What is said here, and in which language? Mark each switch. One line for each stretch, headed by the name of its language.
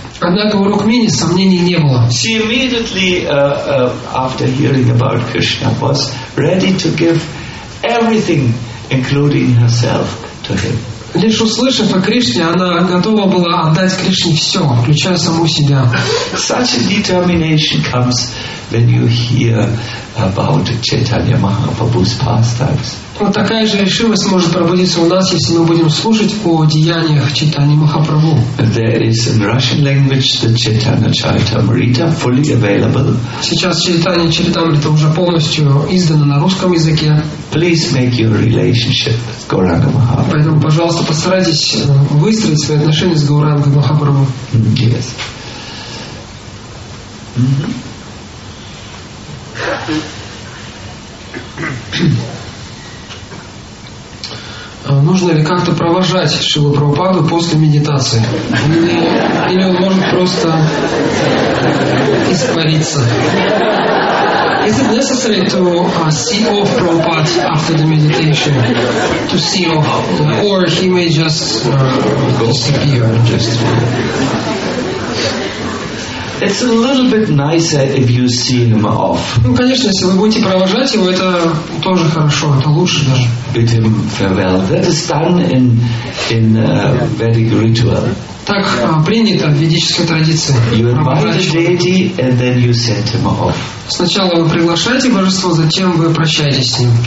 Russian: Однако у Рукмини сомнений не было.
English: She immediately, after hearing about Krishna, was ready to give everything, including herself, to him.
Russian: Лишь услышав о Кришне, она готова была отдать Кришне все, включая саму себя.
English: Such a determination comes when you hear about Chaitanya Mahaprabhu's pastimes.
Russian: Вот такая же решимость может пробудиться у нас, если мы будем слушать о деяниях Чайтаньи Махапрабху.
English: There is in Russian language the Chaitanya Charitamrita fully available.
Russian: Сейчас Чайтанья Чаритамрита уже полностью издана на русском языке.
English: Please make your relationship with Gauranga Mahaprabhu.
Russian: Поэтому, пожалуйста, постарайтесь выстроить свои отношения с Гаурангой Махапрабху.
English: Yes.
Russian: Нужно ли как-то провожать Шрилу Прабхупаду после медитации? Или он может просто испариться?
English: Is it necessary to see off Prabhupada after the meditation? To see off? Or he may just disappear? It's a little bit nicer if you see him off.
Russian: Ну, конечно, если вы будете провожать его, это тоже хорошо, это лучше даже.
English: Bid him farewell. That is done in Vedic ritual.
Russian: Так принято в ведической традиции.
English: You invite deity and then you send him off.
Russian: Сначала вы приглашаете божество, затем вы прощаетесь с ним.